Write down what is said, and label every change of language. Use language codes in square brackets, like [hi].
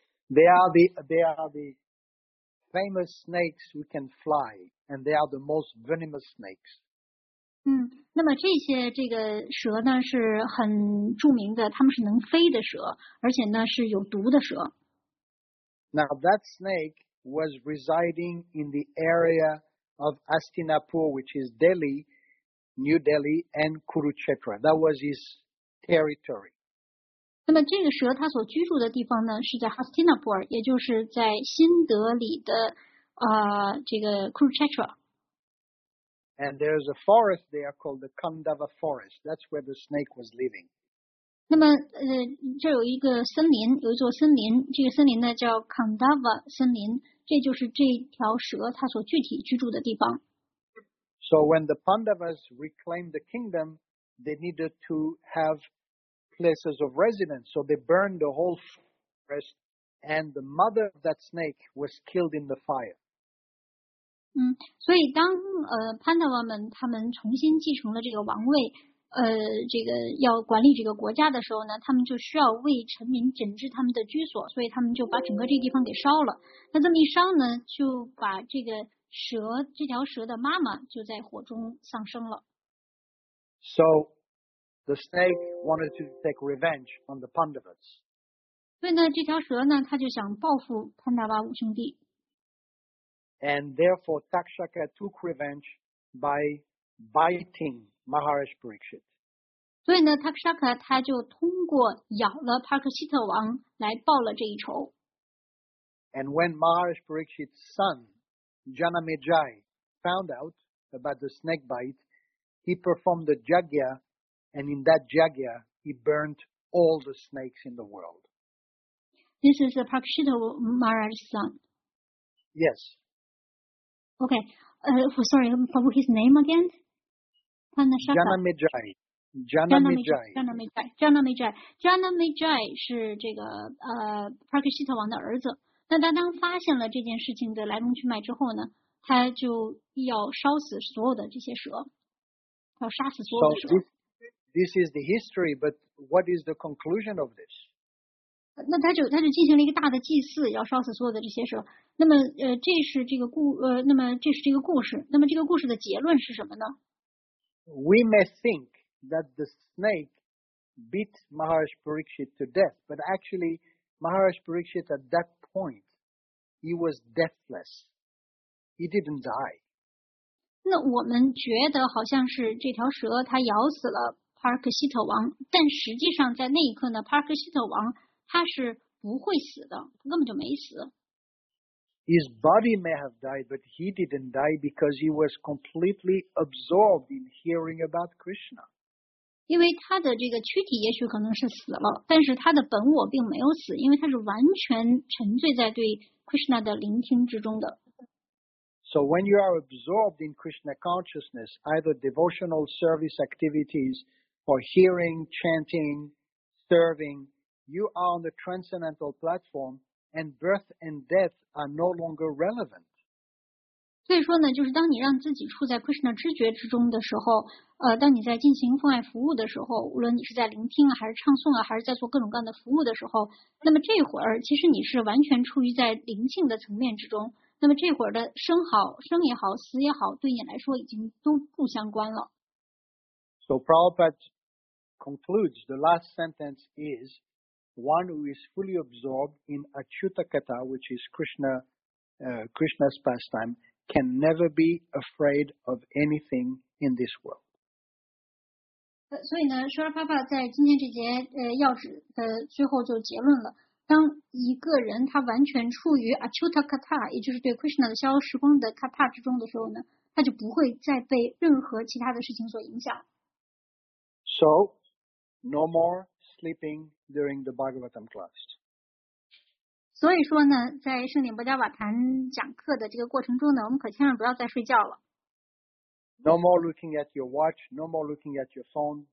[en] they are the famous snakes who can fly, and they are the most venomous snakes. [zh] 那么这个蛇呢是很著名的，它们是能飞的蛇，而且呢是有毒的蛇。 [en] Now that snake was residing in the area of Astinapur, which is Delhi, New Delhi, and Kurukshetra. That was his territory. [zh] 那么这个蛇它所居住的地方呢是在 Hastinapur， 也就是在新德里的这个 Kurukshetra。 [en] And there's a forest there called the Kandava Forest. That's where the snake was living. [zh] 那么这有一个森林，有一座森林，这个森林呢叫 Kandava 森林，这就是这条蛇它所具体居住的地方。 [en] So when the Pandavas reclaimed the kingdom, they needed to have places of residence. So they burned the whole forest, and the mother of that snake was killed in the fire. [zh] 所以当Pandava 们他们重新继承了这个王位，这个要管理这个国家的时候呢，他们就需要为臣民整治他们的居所，所以他们就把整个这个地方给烧了。那这么一烧呢，就把这个蛇，这条蛇的妈妈就在火中丧生了。 [en] So the snake wanted to take revenge on the Pandavas. [zh] 所以呢，这条蛇呢，他就想报复潘达瓦五兄弟。 [en] And therefore, Takshaka took revenge by biting Maharaj Parikshit. [zh] 所以呢 ，Takshaka 他就通过咬了帕克希特王来报了这一仇。 [en] And when Maharaj Parikshit's son Janamejai found out about the snake bite, he performed the jagya, and in that jagya, he burnt all the snakes in the world. This is a Parikshita Maharaj's son. Yes. Okay. Sorry, what was his name again? Janamejai. Janamejai. [zh] Janamejai. Janamejai. Janamejai 是这个Parikshita 王的儿子。那他当发现了这件事情的来龙去脉之后呢，他就要烧死所有的这些蛇，要杀死所有的蛇。 [en] So this is the history, but what is the conclusion of this? [zh] 那他就进行了一个大的祭祀，要烧死所有的这些蛇。那么这是这个故事。那么这个故事的结论是什么呢 [en] ？We may think that the snake bit Maharaj Parikshit to death, but actually Maharaj Parikshit at that point, he was deathless. He didn't die. [zh] 那我们觉得好像是这条蛇它咬死了帕克希特王，但实际上在那一刻呢，帕克希特王他是不会死的，他根本就没死。 [en] His body may have died, but he didn't die because he was completely absorbed in hearing about Krishna. [zh] 因为他的这个躯体也许可能是死了，但是他的本我并没有死，因为他是完全沉醉在对 Krishna 的聆听之中的。 [en] So when you are absorbed in Krishna consciousness, either devotional service activities or hearing, chanting, serving, you are on the transcendental platform, and birth and death are no longer relevant. [zh] 所以说呢，就是当你让自己处在 Krishna 知觉之中的时候，当你在进行奉爱服务的时候，无论你是在聆听啊，还是唱诵啊，还是在做各种各样的服务的时候，那么这会儿其实你是完全处于在灵性的层面之中。那么这会儿的生也好，死也好，对你来说已经都不相关了。 [en] So Prabhupada concludes the last sentence is one who is fully absorbed in Achyuta Katha, which is Krishna's pastime. Can never be afraid of anything in this world. [zh] 所以呢，舒拉帕帕在今天这节要旨的最后就结论了：当一个人他完全处于 Achyuta Katha， 也就是对 Krishna 的逍遥时光的 Katha 之中的时候呢，他就不会再被任何其他的事情所影响。 [en] So, no more sleeping during the Bhagavatam class. [zh] 所以说呢，在圣典波迦瓦坛讲课的这个过程中呢，我们可千万不要再睡觉了。 [en] No more looking at your watch, no more looking at your phone.